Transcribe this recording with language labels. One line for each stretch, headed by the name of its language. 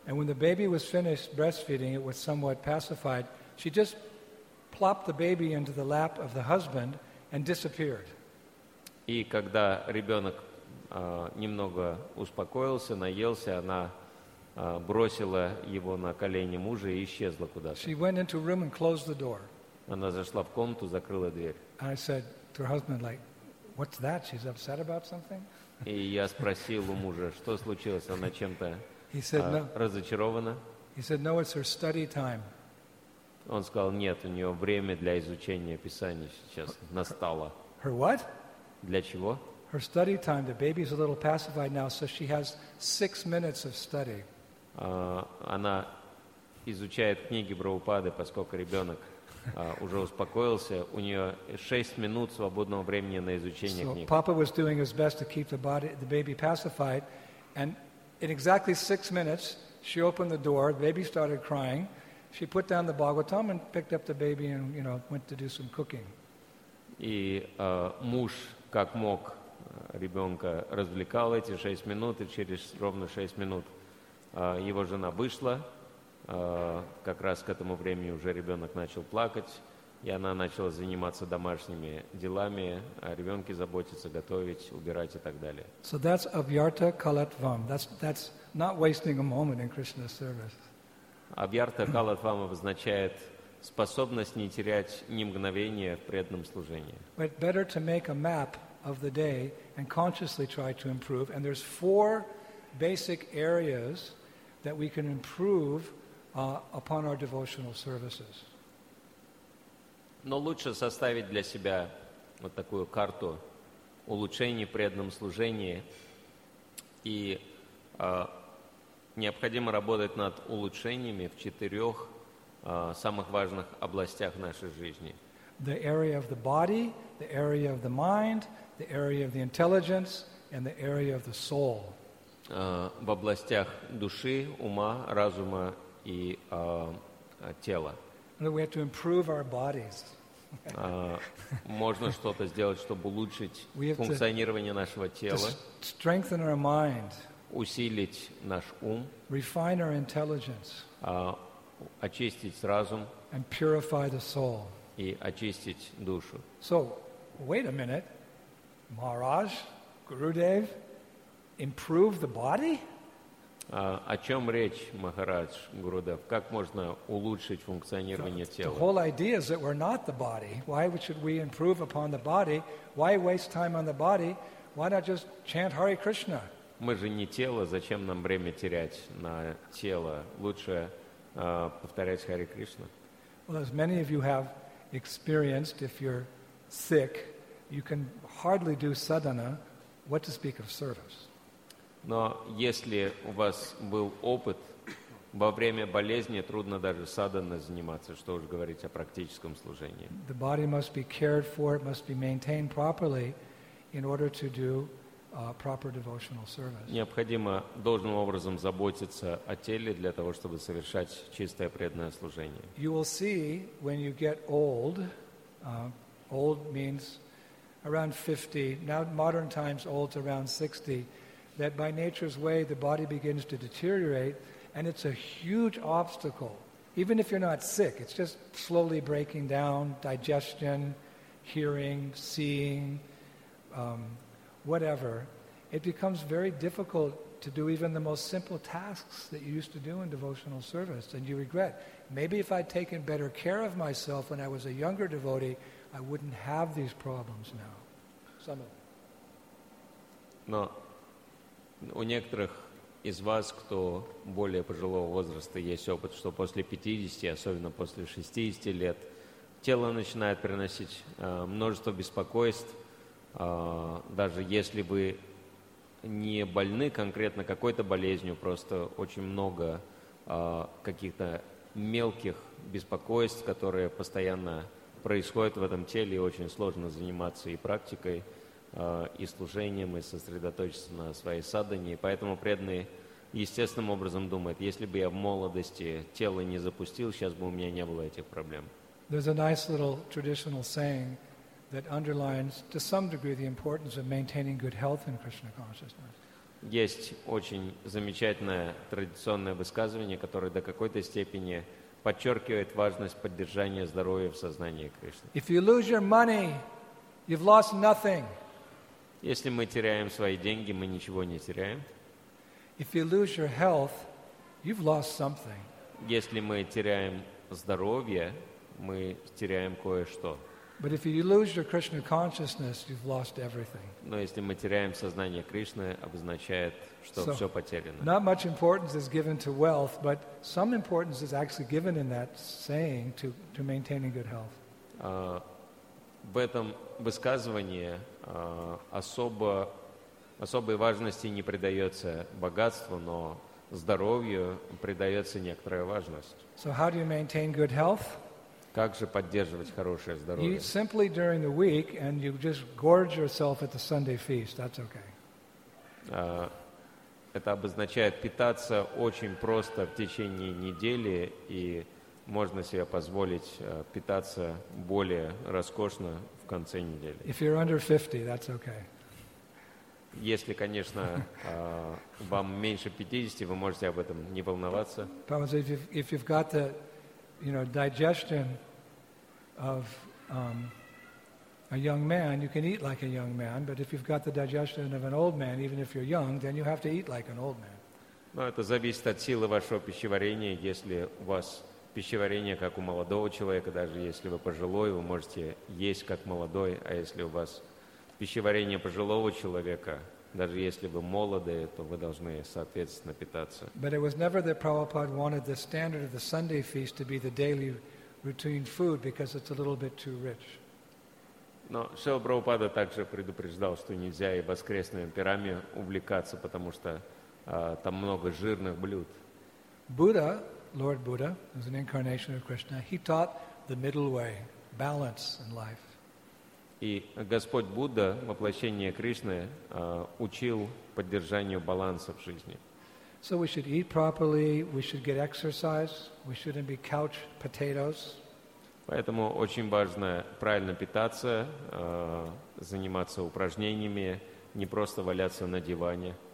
English: And when the baby was finished breastfeeding, it was somewhat pacified. She just plopped the baby into the lap of the husband and disappeared.
Russian: И когда ребенок немного успокоился, наелся, она бросила его на колени мужа и исчезла куда-то.
English: She went into a room and closed the door.
Russian: Она зашла в комнату, закрыла дверь.
English: And I said to her husband, like, what's that? She's upset about something?
Russian: И я спросил у мужа, что случилось, она чем-то разочарована.
English: He said, no, it's her study time.
Russian: Он сказал, нет, у нее время для изучения Писания сейчас настало.
English: Her what?
Russian: Для чего?
English: Her study time. The baby's a little pacified now, so she has 6 minutes of study.
Russian: Она изучает книги Прабхупады, поскольку ребенок уже успокоился, у нее 6 минут свободного времени на изучение книг.
English: So Papa was doing his best to keep the baby pacified, and in exactly 6 minutes, she opened the door, the baby started crying, she put down the Bhagavatam and picked up the baby and, you know, went to do some cooking.
Russian: И муж, как мог, ребенка развлекал эти 6 минут, и через ровно 6 минут его жена вышла. Как раз к этому времени уже ребенок начал плакать, и она начала заниматься домашними делами, о ребенке заботиться, готовить, убирать и так далее.
English: So that's avyartha kalatvam. That's not wasting a moment in Krishna's service.
Russian: Avyartha kalatvam означает способность не терять ни мгновения в преданном служении.
English: But better to make a map of the day and consciously try to improve. And there's 4 basic areas that we can improve upon our devotional services.
Russian: Но лучше составить для себя вот такую карту улучшений в преданном служении, и необходимо работать над улучшениями в 4 самых важных областях нашей жизни.
English: The area of the body, the area of the mind, the area of the intelligence, and the area of the soul.
Russian: В областях души, ума, разума и тело.
English: We have to improve our bodies.
Russian: Можно что-то сделать, чтобы улучшить функционирование нашего тела.
English: Strengthen our mind.
Russian: Усилить наш ум.
English: Refine our intelligence.
Russian: Очистить разум.
English: And purify the soul.
Russian: И очистить душу.
English: So, wait a minute, Maharaj, Gurudev, improve the body?
Russian: О чем речь, Махарадж Гурудев? Как можно улучшить функционирование тела?
English: The whole idea is that we're not the body. Why should we improve upon the body? Why waste time on the body? Why not just chant Hare Krishna?
Russian: Мы же не тело, зачем нам время терять на тело? Лучше повторять Hare Krishna.
English: Well, as many of you have experienced, if you're sick, you can hardly do sadhana, what to speak of service.
Russian: Но если у вас был опыт, во время болезни трудно даже садханой заниматься, что уж говорить о практическом служении.
English: The body must be cared for, it must be maintained properly in order to do proper devotional service.
Russian: Необходимо должным образом заботиться о теле для того, чтобы совершать чистое преданное служение.
English: You will see when you get old, old means around 50, now modern times old is around 60, that by nature's way the body begins to deteriorate, and it's a huge obstacle. Even if you're not sick, it's just slowly breaking down, digestion, hearing, seeing, whatever. It becomes very difficult to do even the most simple tasks that you used to do in devotional service, and you regret. Maybe if I'd taken better care of myself when I was a younger devotee, I wouldn't have these problems now.
Russian: Но у некоторых из вас, кто более пожилого возраста, есть опыт, что после 50, особенно после 60 лет, тело начинает приносить множество беспокойств, даже если вы не больны конкретно какой-то болезнью, просто очень много каких-то мелких беспокойств, которые постоянно происходят в этом теле, и очень сложно заниматься и практикой, и служением, и сосредоточиться на своей садхане. И поэтому преданные естественным образом думают, если бы я в молодости тело не запустил, сейчас бы у меня не было этих проблем.
English: There's a nice little traditional saying that underlines to some degree the importance of maintaining good health in Krishna consciousness.
Russian: Есть очень замечательное традиционное высказывание, которое до какой-то степени подчеркивает важность поддержания здоровья в сознании Кришны.
English: If you lose your money, you've lost nothing.
Russian: Если мы теряем свои деньги, мы ничего не теряем.
English: If you lose your health, you've lost something.
Russian: Если мы теряем здоровье, мы теряем кое-что.
English: But if you lose your Krishna consciousness, you've lost everything.
Russian: Но если мы теряем сознание Кришны, обозначает, что все потеряно.
English: Not much importance is given to wealth, but some importance is actually given in that saying to maintaining good health.
Russian: В этом высказывании особой важности не придается богатству, но здоровью придается некоторая важность.
English: So how do you maintain good health?
Russian: Как же поддерживать хорошее здоровье?
English: Eat simply during the week, and you just gorge yourself at the Sunday feast. That's okay.
Russian: Это обозначает питаться очень просто в течение недели, и можно себе позволить питаться более роскошно в конце недели.
English: If you're under 50, that's okay.
Russian: Если, конечно, вам меньше 50, вы можете об этом не волноваться.
English: Because if you've got the, you know, digestion of a young man, you can eat like a young man, but if you've got the digestion of an old man, even if you're young, then you have to eat like an old man.
Russian: Но это зависит от силы вашего пищеварения. Если у вас пищеварение как у молодого человека, даже если вы пожилой, вы можете есть как молодой, а если у вас пищеварение пожилого человека, даже если вы молоды, то вы должны соответственно питаться.
English: But it was never that Prabhupada wanted the standard of the Sunday feast to be the daily routine food because it's a little bit too rich.
Russian: Но Шрила Прабхупада также предупреждал, что нельзя и воскресными пирами увлекаться, потому что там много жирных блюд.
English: Buddha, Lord Buddha, was an incarnation of Krishna. He taught the middle way, balance in life.
Russian: И Господь Будда, воплощение Кришны, учил поддержанию баланса в жизни.
English: So we should eat properly, we should get exercise, we shouldn't be couch potatoes.
Russian: Поэтому очень важно правильно питаться, заниматься упражнениями, не просто валяться на диване.